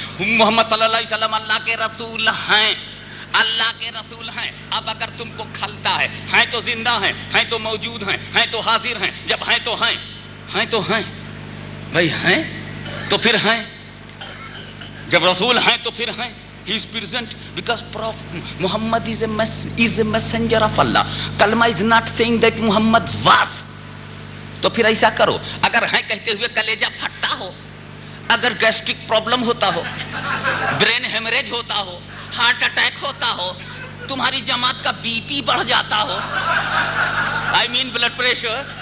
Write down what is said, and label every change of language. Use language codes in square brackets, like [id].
[ur] محمد صلی اللہ علیہ وسلم اللہ کے رسول ہیں، اللہ کے رسول ہیں. اب اگر تم کو کھلتا ہے، ہیں تو زندہ ہیں، ہیں تو موجود ہیں، ہیں تو حاضر ہیں، جب ہیں تو ہیں، ہیں تو ہیں بھائی، ہیں تو پھر ہیں، جب رسول ہیں تو پھر ہیں. [en] He is present because Prophet Muhammad is a messenger of Allah. Kalma is not saying that Muhammad was. [ur] تو پھر ایسا کرو، اگر ہیں کہتے ہوئے کلیجہ پھٹتا ہو، اگر گیسٹرک پرابلم ہوتا ہو، برین ہیمریج ہوتا ہو، ہارٹ اٹیک ہوتا ہو، تمہاری جماعت کا بی پی بڑھ جاتا ہو، [en] I mean blood pressure,